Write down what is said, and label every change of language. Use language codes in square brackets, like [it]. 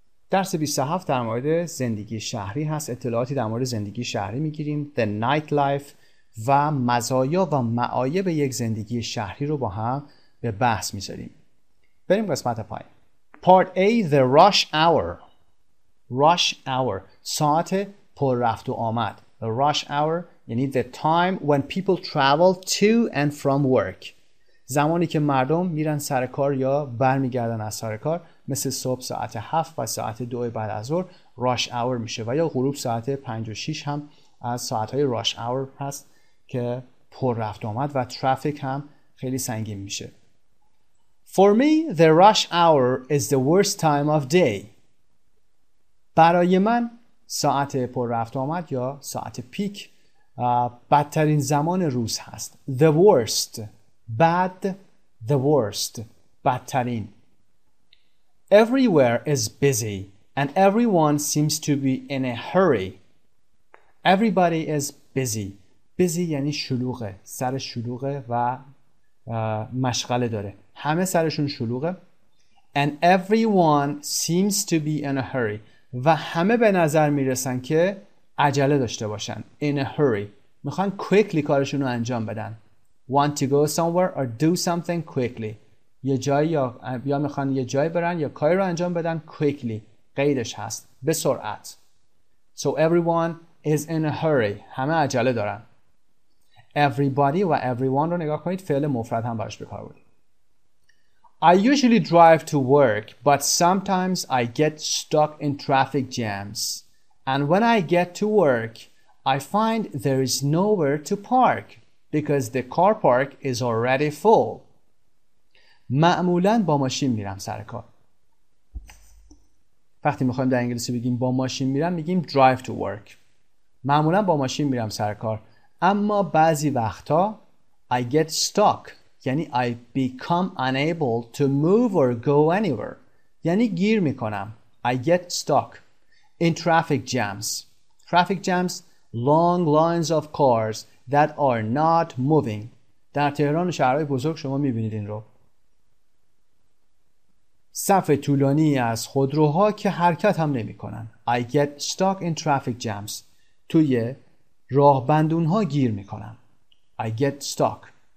[fa] درس 27 در مورد زندگی شهری هست. اطلاعاتی در مورد زندگی شهری میگیریم. The night life و مزایا و معایب یک زندگی شهری رو با هم به بحث میذاریم. بریم قسمت پایین. [en] Part A, the rush hour. [fa] Rush hour, ساعت پر رفت و آمد. [en] The rush hour [fa] یعنی [en] the time when people travel to and from work. [fa] زمانی که مردم میرن سر کار یا برمیگردن از سر کار، مثل صبح ساعت 7 و ساعت 2 بعد از ظهر rush hour میشه و یا غروب ساعت 5 و 6 هم از ساعت‌های rush hour هست که پر رفت آمد و ترافیک هم خیلی سنگین میشه. [en] For me the rush hour is the worst time of day. [fa] برای من ساعت پر رفت آمد یا ساعت پیک بدترین زمان روز هست. [en] The worst. Bad. The worst. بدترین. Everywhere is busy and everyone seems to be in a hurry. Everybody is busy. [fa] Busy یعنی شلوغه، سر شلوغه و مشغله داره. همه سرشون شلوغه. [en] And everyone seems to be in a hurry. [fa] و همه به نظر میرسن که عجله داشته باشن. [en] In a hurry. [fa] میخوان quickly کارشون رو انجام بدن. [en] Want to go somewhere or do something quickly. [fa] یه جایی یا میخوان یه جایی برن یا کاری رو انجام بدن quickly. قیدش هست. به سرعت. [en] So everyone is in a hurry. [fa] همه عجله دارن. Everybody و everyone رو نگاه کنید. فعل مفرد هم براش بکار بود. [en] I usually drive to work, but sometimes I get stuck in traffic jams. And when I get to work, I find there is nowhere to park because the car park is already full. [fa] معمولاً با ماشین میرم سر کار. وقتی میخوایم در انگلیسی بگیم با ماشین میرم، میگیم [en] drive to work. [fa] معمولاً با ماشین میرم سر کار. اما بعضی وقتا [en] I get stuck. یعنی I become unable to move or go anywhere. [fa] یعنی گیر میکنم. [en] I get stuck in traffic jams. Traffic jams, long lines of cars that are not moving. [fa] در تهران شهرهای بزرگ شما میبینید این رو. صف طولانی از خودروها که حرکت هم نمیکنن. [en] I get stuck in traffic jams. [fa] توی راهبندونها گیر میکنم. [en] I get stuck.